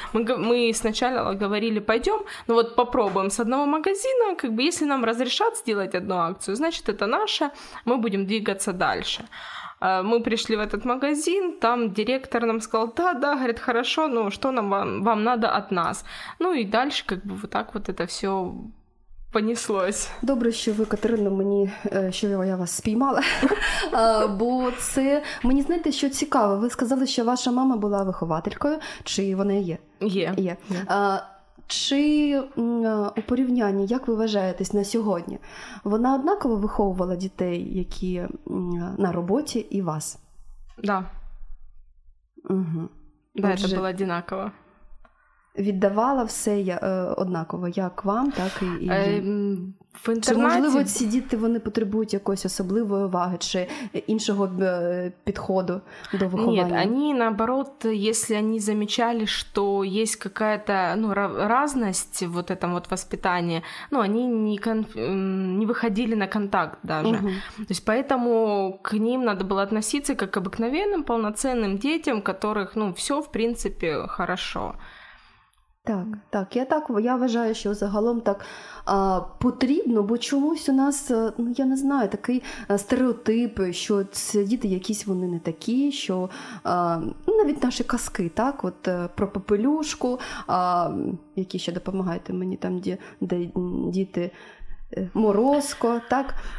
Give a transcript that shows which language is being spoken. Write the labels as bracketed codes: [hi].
[ru] Мы сначала говорили, пойдем, ну вот попробуем с одного магазина, как бы если нам разрешат сделать одну акцию, значит это наше, мы будем двигаться дальше. Мы пришли в этот магазин, там директор нам сказал, да-да, говорит, хорошо, ну что нам вам надо от нас? Ну и дальше как бы вот так вот это все понеслось. [uk] Добре, що ви, Катерина, мені, що я вас спіймала, бо це, мені знаєте, що цікаво, ви сказали, що ваша мама була вихователькою, чи вона є? Є. Є. Чи у порівнянні, як ви вважаєтесь на сьогодні, вона однаково виховувала дітей, які на роботі, і вас? [ru] Да. Угу. [uk] Да, це було однаково. Віддавала все однаково, як вам, так і в інтернаті. Чи, можливо, ці діти, вони потребують якоїсь особливої уваги чи іншого підходу до виховання? Ні, вони, наоборот, якщо вони замечали, що є якась, ну, різність в [ru] вот этом вот воспитании, [uk] ну, вони не виходили на контакт даже. Угу. [ru] То есть поэтому к ним надо было относиться как к обыкновенным, полноценным детям, которых, ну, все, в принципе, хорошо. [uk] Так, так, я вважаю, що загалом так потрібно, бо чомусь у нас, ну я не знаю, такий стереотип, що ці діти якісь вони не такі, що навіть наші казки, так, от про попелюшку, які ще допомагають мені там, де діти Морозко, так.